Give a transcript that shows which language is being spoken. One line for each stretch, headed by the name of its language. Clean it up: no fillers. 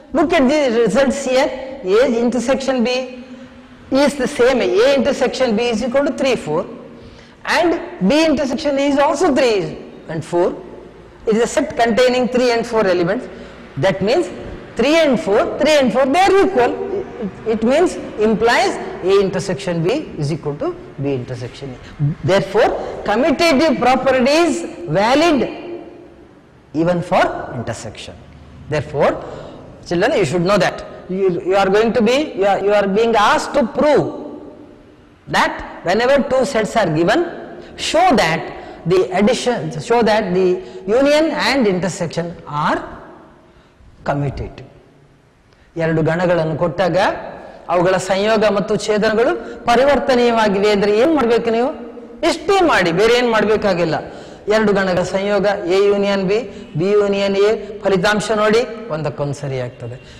English: Look at the results here. A intersection B is the same. A intersection B is equal to 3 4, and B intersection is also 3 and 4. It is a set containing 3 and 4 elements. That means 3 and 4 they are equal. It means, implies A intersection B is equal to B intersection A. Therefore, commutative property is valid even for intersection. Therefore, children, you should know that. You are being asked to prove that whenever two sets are given, show that the addition, show that the union and intersection are commutative.
Kannada: ಎರಡು ಗಣಗಳನ್ನು ಕೊಟ್ಟಾಗ ಅವುಗಳ ಸಂಯೋಗ ಮತ್ತು ಛೇದನಗಳು ಪರಿವರ್ತನೀಯವಾಗಿವೆ ಅಂದರೆ ಏನು ಮಾಡಬೇಕು ನೀವು? ಇಷ್ಟೇ ಮಾಡಿ, ಬೇರೆ ಏನು ಮಾಡಬೇಕಾಗಿಲ್ಲ. ಎರಡು ಗಣಗಳ ಸಂಯೋಗ A union B, B union A, ಫಲಿತಾಂಶ ನೋಡಿ ಒಂದಕ್ಕೊಂದು ಸರಿ ಆಗ್ತದೆ.